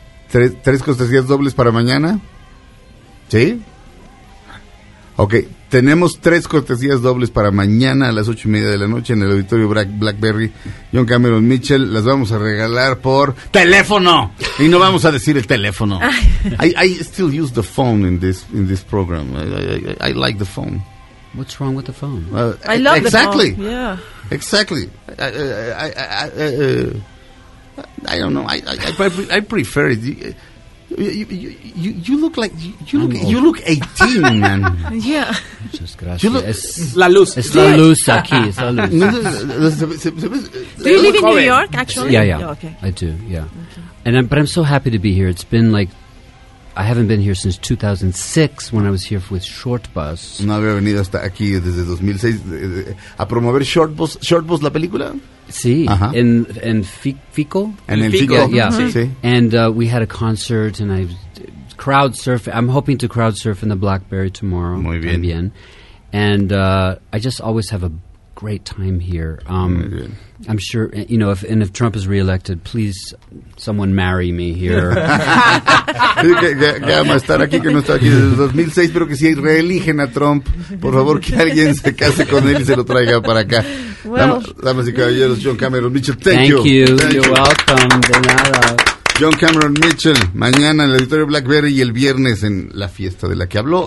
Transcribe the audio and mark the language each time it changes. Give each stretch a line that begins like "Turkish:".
Spanish: tres costecillas dobles para mañana. ¿Sí? Ok, tenemos tres cortesías dobles para mañana a las 8:30 p.m. en el auditorio Blackberry. John Cameron Mitchell, las vamos a regalar por teléfono. Y no vamos a decir el teléfono.
English: I still use the phone in this program. I like the phone. What's wrong with the phone? I love exactly. The phone. Yeah. Exactly. I don't know. I prefer it. You look 18, man. Yeah.
Spanish: Muchas gracias.
English: You look,
Spanish: la luz. Es la luz aquí, es la luz.
English: Do you live in New York, actually? Yeah, yeah. Oh, okay. I do, yeah. Okay. But I'm so happy to be here. It's been like, I haven't been here since 2006 when I was here with Short Bus.
Spanish: No había venido hasta aquí desde 2006 a promover Short Bus, la película. Sí, en Fico. Yeah, sí.
English: And we had a concert, and I crowd surf. I'm hoping to crowd surf in the Blackberry tomorrow.
Spanish: Muy bien. También.
English: And I just always have a great time here.
Spanish: Muy bien.
English: I'm sure, you know, if Trump is reelected, please, someone marry me here.
Spanish: Que ama estar aquí, que no está aquí desde 2006, pero que si reeligen a Trump, por favor, que alguien se case con él y se lo traiga para acá.
English: Well,
Spanish: damas y caballeros, John Cameron Mitchell,
English: thank you. You're welcome.
Spanish: De nada. John Cameron Mitchell, mañana en el auditorio Blackberry y el viernes en la fiesta de la que habló.